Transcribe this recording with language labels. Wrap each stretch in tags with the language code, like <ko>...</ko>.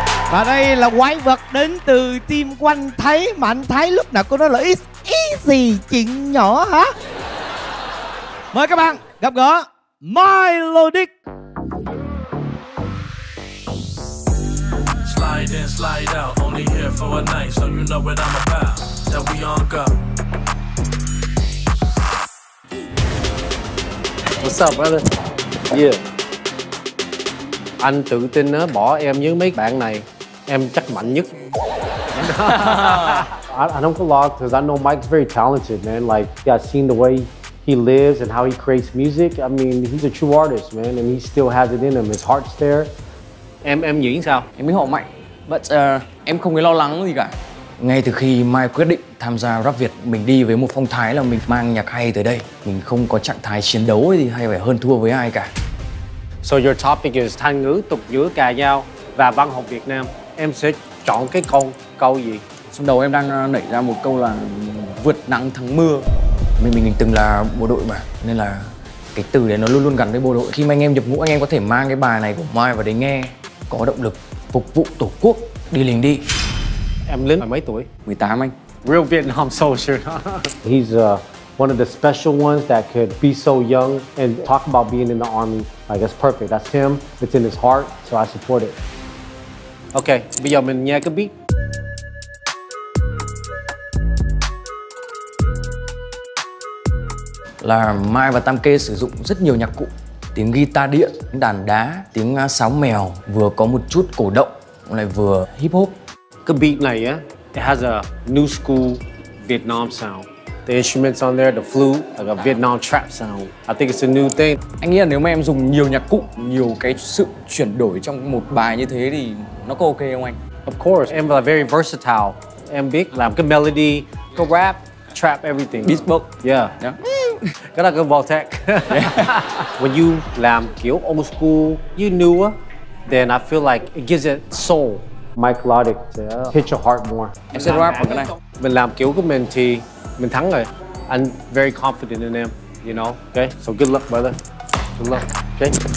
<vi>Và đây là quái vật đến từ team quanh Thái. Mà anh Thái lúc nào cũng nói là easy, chuyện nhỏ hả? Mời các bạn gặp gỡ Milodic.</vi> <en>Slide in, slide out, only here for a night, so you know what I'm about. That we on go. What's up, brother? Yeah.</en> <vi>Anh tự tin á, bỏ em với mấy bạn này, em chắc mạnh nhất.</vi> <en>I don't get lost because I know Mike's very talented, man. Like, yeah, seen the way he lives and how he creates music. I mean, he's a true artist, man, and he still has it in him. His heart's there.</en> <vi>Em diễn sao? Em biết hộ Mike. But em không có lo lắng gì cả. Ngay từ khi Mike quyết định tham gia Rap Việt, mình đi với một phong thái là mình mang nhạc hay tới đây. Mình không có trạng thái chiến đấu gì hay phải hơn thua với ai cả.</vi> <en>So your topic is</en> <vi>Thanh ngữ, tục ngữ, cà dao và văn học Việt Nam. Em sẽ chọn cái câu gì? Trong đầu em đang nảy ra một câu là vượt nắng thắng mưa. Mình từng là bộ đội mà, nên là cái từ đấy nó luôn luôn gắn với bộ đội. Khi mà anh em nhập ngũ, anh em có thể mang cái bài này của Mike vào đấy nghe, có động lực phục vụ tổ quốc, đi liền đi. Em lớn mấy tuổi? 18 anh.</vi> <en>Real Vietnam soldier. He's one of the special ones that could be so young and talk about being in the army. Like, that's perfect. That's him. It's in his heart, so I support it.</en> <vi>Okay, bây giờ mình nghe cái beat. Là Mai và Tam Kê sử dụng rất nhiều nhạc cụ, tiếng guitar điện, đàn đá, tiếng sáo mèo, vừa có một chút cổ động, lại vừa hip hop. Cái beat này á,</vi> <en>it has a new school Vietnam sound. The instruments on there, the flute, like a Vietnam trap sound. I think it's a new thing.</en> <vi>Anh nghĩ là nếu mà em dùng nhiều nhạc cụ, nhiều cái sự chuyển đổi trong một bài như thế thì nó có ok không anh?</vi> <en>Of course,</en> <vi>em là</vi> <en>very versatile.</en> <vi>Em biết làm cái melody, cái rap, trap, everything.</vi> <en>Beatbox.</en> <vi>Yeah. Yeah. Cái đó là cái Voltec.</vi> <en>When you</en> <vi>làm kiểu</vi> <en>old school, you newer, then I feel like it gives it soul. Mike Lodic, hit your heart more.</en> <vi>Em sẽ rap cái này. Mình làm kiểu của mình thì mình thắng rồi.</vi> <en>I'm very confident in them, you know? Okay, so good luck, brother. Good luck, okay?</en>